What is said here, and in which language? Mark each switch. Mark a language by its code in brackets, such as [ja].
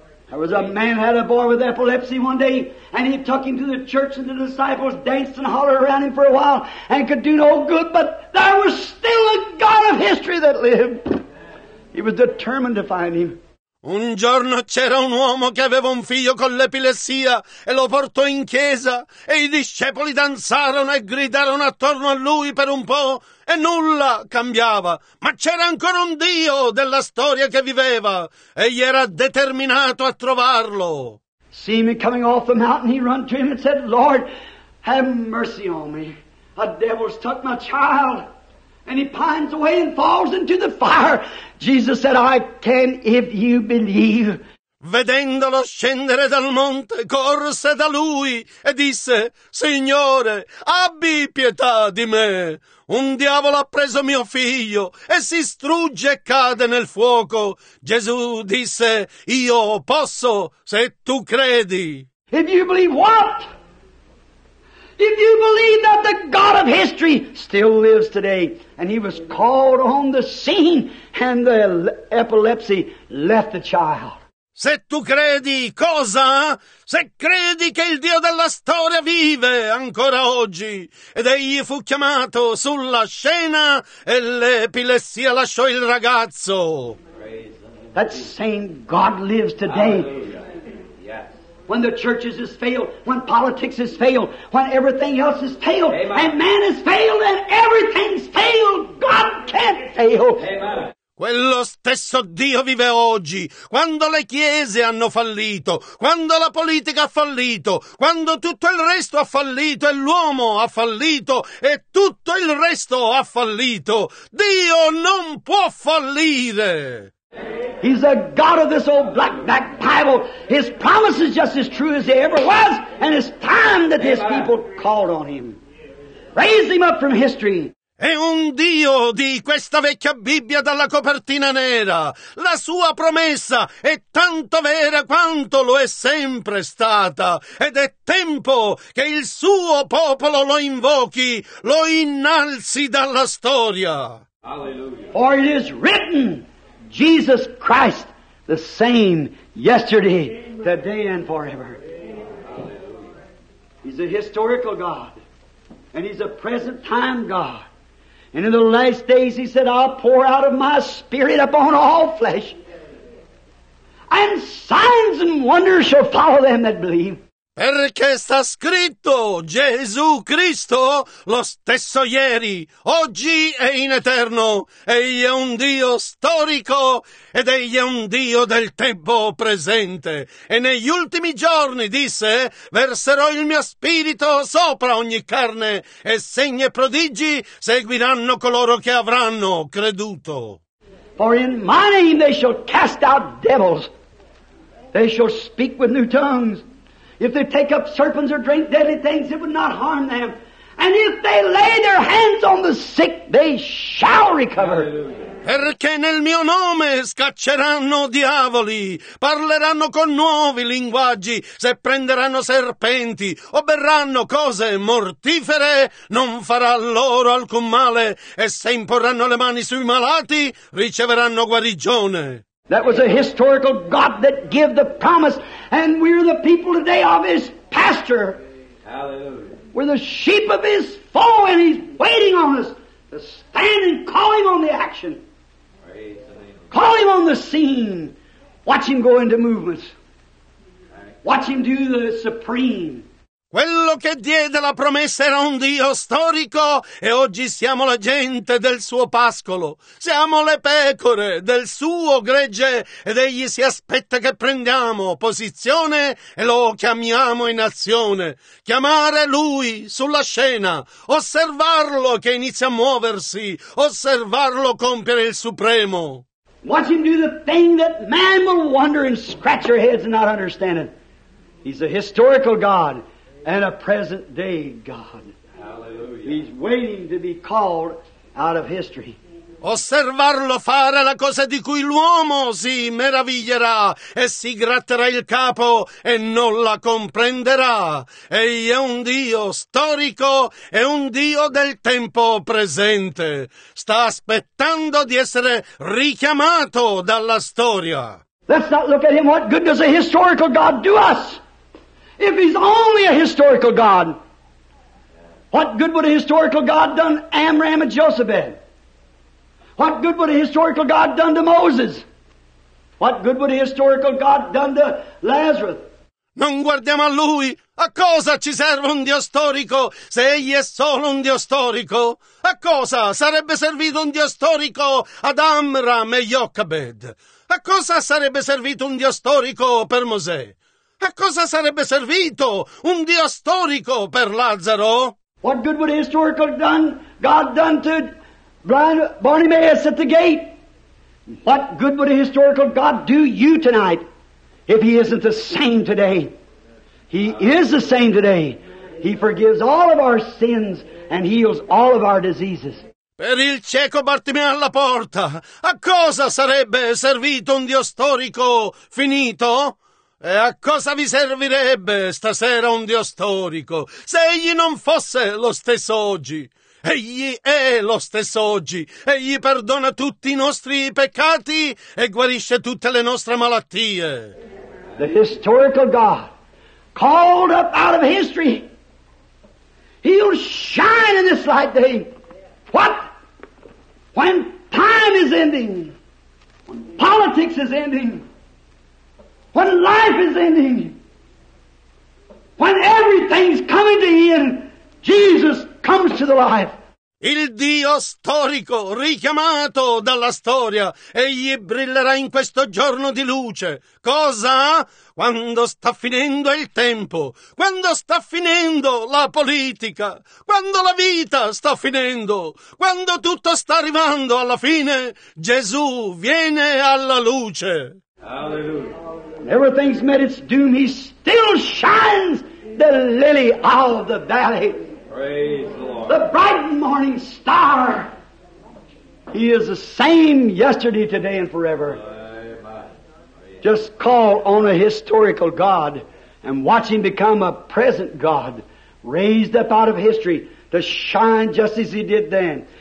[en] There was a man had a boy with epilepsy one day, and he took him to the church, and the disciples danced and hollered around him for a while and could do no good, but there was still a God of history that lived. He was determined to find him. [it] Un giorno c'era un uomo che aveva un figlio con l'epilessia e lo portò in chiesa e i discepoli danzarono e gridarono attorno a lui per un po' e nulla cambiava. Ma c'era ancora un Dio della storia che viveva e gli era determinato a trovarlo. [en] See me coming off the mountain, he run to him and said, Lord, have mercy on me. A devil's took my child. And he pines away and falls into the fire. Jesus said, I can if you believe. [it] Vedendolo scendere dal monte, corse da lui e disse, Signore, abbi pietà di me. Un diavolo ha preso mio figlio e si strugge e cade nel fuoco. Gesù disse, io posso se tu credi. [en] If you believe what? If you believe that the God of history still lives today, and he was called on the scene, and the epilepsy left the child. [it] Se tu credi, cosa? Se credi che il Dio della storia vive ancora oggi, ed egli fu chiamato sulla scena, e l'epilessia lasciò il ragazzo. [en] That same God lives today. When the churches has failed, when politics has failed, when everything else has failed, Amen. And man has failed, and everything's failed, God can't fail. Amen. [it] Quello stesso Dio vive oggi, quando le chiese hanno fallito, quando la politica ha fallito, quando tutto il resto ha fallito, e l'uomo ha fallito, e tutto il resto ha fallito. Dio non può fallire. [en] He's the God of this old black-backed Bible. His promise is just as true as he ever was, and it's time that his people called on him. Raise him up from history. [it] È un Dio di questa vecchia Bibbia dalla copertina nera. La sua promessa è tanto vera quanto lo è sempre stata. Ed è tempo che il suo popolo lo invochi, lo innalzi dalla storia. Alleluia. [en] For it is written, Jesus Christ, the same yesterday, today, and forever. He's a historical God, and he's a present time God. And in the last days, he said, I'll pour out of my spirit upon all flesh, and signs and wonders shall follow them that believe. [it] Perché sta scritto Gesù Cristo lo stesso ieri, oggi e in eterno. Egli è un Dio storico ed egli è un Dio del tempo presente. E negli ultimi giorni, disse, verserò il mio spirito sopra ogni carne e segni e prodigi seguiranno coloro che avranno creduto. [en] For in my name they shall cast out devils. They shall speak with new tongues. If they take up serpents or drink deadly things, it would not harm them. And if they lay their hands on the sick, they shall recover. [it] Perché nel mio nome scacceranno diavoli, parleranno con nuovi linguaggi, se prenderanno serpenti o berranno cose mortifere, non farà loro alcun male, e se imporranno le mani sui malati, riceveranno guarigione. [en] That was a historical God that gave the promise, and we're the people today of his pasture. Hallelujah. We're the sheep of his fold, and he's waiting on us to stand and call him on the action. Praise call him on the scene. Watch him go into movements. Watch him do the supreme. [it] Quello che diede la promessa era un Dio storico e oggi siamo la gente del suo pascolo. Siamo le pecore del suo gregge ed egli si aspetta che prendiamo posizione e lo chiamiamo in azione. Chiamare lui sulla scena, osservarlo che inizia a muoversi, osservarlo compiere il supremo. [en] Watch him do the thing that man will wonder and scratch your heads and not understand it. He's a historical God. And a present day God. Hallelujah. He's waiting to be called out of history. [it] Osservarlo fare la cosa di cui l'uomo si meraviglierà e si gratterà il capo e non la comprenderà. Egli è un Dio storico e un Dio del tempo presente. Sta aspettando di essere richiamato dalla storia. [en] Let's not look at him. What good does a historical God do us? If he's only a historical God, what good would a historical God done Amram and Jochebed? What good would a historical God done to Moses? What good would a historical God done to Lazarus? [it] Non guardiamo a lui. A cosa ci serve un Dio storico se egli è solo un Dio storico? A cosa sarebbe servito un Dio storico ad Amram e Jochebed? A cosa sarebbe servito un Dio storico per Mosè? A cosa sarebbe servito un Dio storico per Lazzaro? [en] What good would a historical God done to Bartimaeus at the gate? What good would a historical God do you tonight if he isn't the same today? He is the same today. He forgives all of our sins and heals all of our diseases. [it] Per il cieco Bartimeo alla porta, a cosa sarebbe servito un Dio storico finito? E a cosa vi servirebbe stasera un Dio storico se egli non fosse lo stesso oggi? Egli è lo stesso oggi. Egli perdona tutti i nostri peccati e guarisce tutte le nostre malattie. [en] The historical God, called up out of history, he'll shine in this light day. What? When time is ending, when politics is ending, when life is ending, when everything's coming to end, Jesus comes to the light. [it] Il Dio storico, richiamato dalla storia, egli brillerà in questo giorno di luce. Cosa? Quando sta finendo il tempo, quando sta finendo la politica, quando la vita sta finendo, quando tutto sta arrivando alla fine, Gesù viene alla luce. Alleluia. [en] Everything's met its doom. He still shines the lily of the valley. Praise the Lord. The bright morning star. He is the same yesterday, today, and forever. Amen. Just call on a historical God and watch him become a present God, raised up out of history to shine just as he did then.